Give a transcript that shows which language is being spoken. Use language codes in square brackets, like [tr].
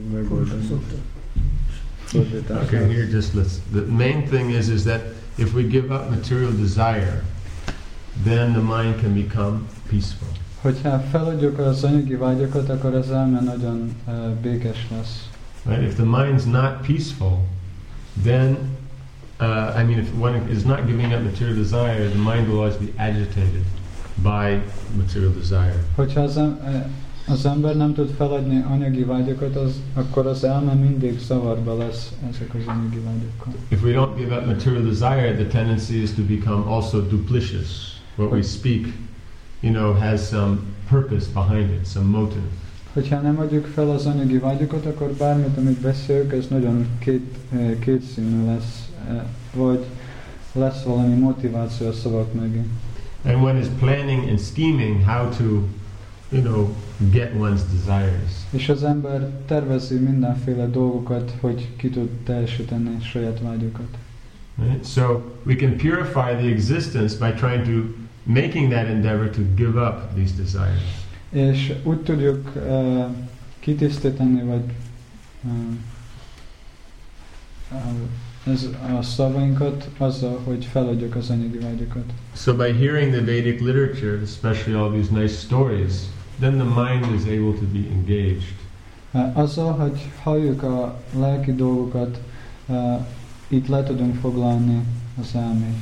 [en] Okay, here just let's. The main thing is that if we give up material desire, then the mind can become peaceful. [hu] Hogyha feladjuk az anyagi vágyakat, akkor az elme nagyon békés lesz. [en] Right? If the mind's not peaceful, then if one is not giving up material desire, the mind will always be agitated by material desire. [hu] Hogyha az ember nem tud feladni anyagi vágyakat, akkor az elme mindig zavarba lesz ezek az anyagi vágyakkal. [en] If we don't give up material desire, the tendency is to become also duplicitous. What we speak, you know, has some purpose behind it, some motive. [hu] Hogyha nem adjuk fel az anyagi vágyakat, akkor bármit, amit beszélünk, ez nagyon kétszínű lesz, vagy lesz valami motiváció a szavak mögé. [en] And one is planning and scheming how to, you know, get one's desires. [hu] És az ember tervezi mindenféle dolgokat, hogy ki tud teljesíteni saját vágyukat. [en] Right? So we can purify the existence by trying to making that endeavor to give up these desires. [hu] És úgy tudjuk kitisztítani, vagy ez a szavainkat azzal, hogy feladjuk az anyagi vágyakat. [en] So by hearing the Vedic literature, especially all these nice stories, then the mind is able to be engaged. [hu] Azzal, hogy halljuk a lelki dolgokat, itt le tudunk foglalni az elmét.